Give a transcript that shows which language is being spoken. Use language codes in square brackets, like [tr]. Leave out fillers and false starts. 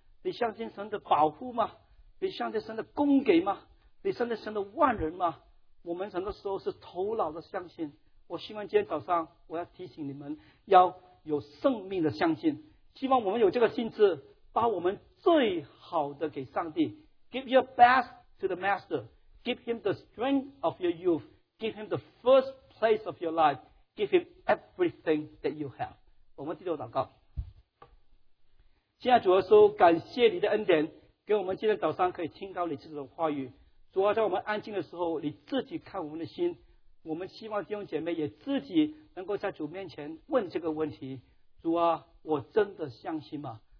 [zh] 你相信神的保护吗？你相信神的供给吗？你相信神的万人吗？我们很多时候是头脑的相信。我希望今天早上我要提醒你们要有生命的相信，希望我们有这个心智，把我们最好的给上帝。 [en] Give your best to the master. Give him the strength of your youth. Give him the first place of your life. Give him everything that you have. [zh] 我们低头祷告。亲爱主耶稣，感谢你的恩典，给我们今天早上可以听到你这种话语。主啊，在我们安静的时候，你自己看我们的心。我们希望弟兄姐妹也自己能够在主面前问这个问题：主啊，我真的相信吗？